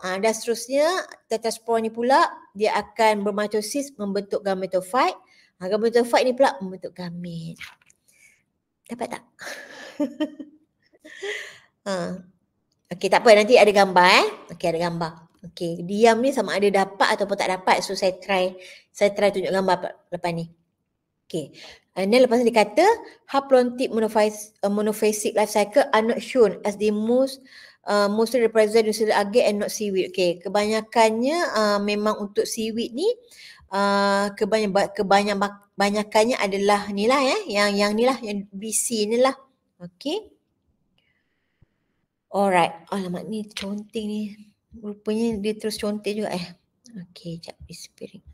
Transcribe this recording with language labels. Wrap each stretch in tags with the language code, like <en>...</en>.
<ms>Dan seterusnya, tetraspore ni pula, dia akan bermatosis, membentuk gametophyte. Gametophyte ni pula, membentuk gamet. Dapat tak? Okay, tak apa. Nanti ada gambar eh. Okay, ada gambar. Okay, diam ni sama ada dapat ataupun tak dapat. So, saya try tunjuk gambar lepas ni. Okay.</ms> <en>And then</en> <ms>lepas ni dia kata,</ms> <en>haplontic monophasic life cycle are not shown as the mostly represent the cellular agate and not seaweed.</en> <ms>Okay, kebanyakannya memang untuk seaweed ni, kebanyakannya adalah ni lah eh. Yang ni lah, yang BC ni lah. Okay. Alright. Alamak ni conteng ni. Rupanya dia terus contek juga eh. Okay, jap. Disappearing.</ms>